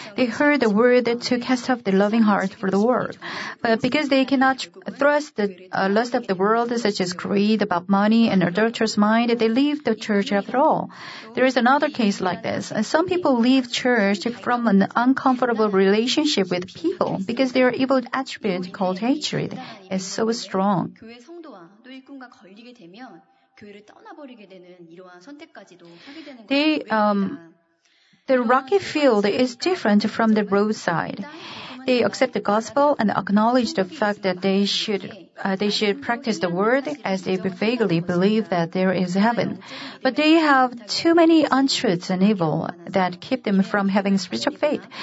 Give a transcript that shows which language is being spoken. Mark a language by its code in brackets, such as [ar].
[en] They heard the word to cast off their loving heart for the world, but because they cannot thrust the lust of the world, such as greed about money and adulterous mind, they leave the church after all. There is another case like this. Some people leave church from an uncomfortable relationship with people because their evil attribute called hatred is so strong. [ko] 일꾼과 걸리게 되면 교회를 떠나버리게 되는 이러한 선택까지도 하게 되는 것입니다. [en] The rocky field is different from the roadside. They accept the gospel and acknowledge the fact that they should practice the word as they vaguely believe that there is heaven. But they have too many untruths and evil that keep them from having spiritual faith.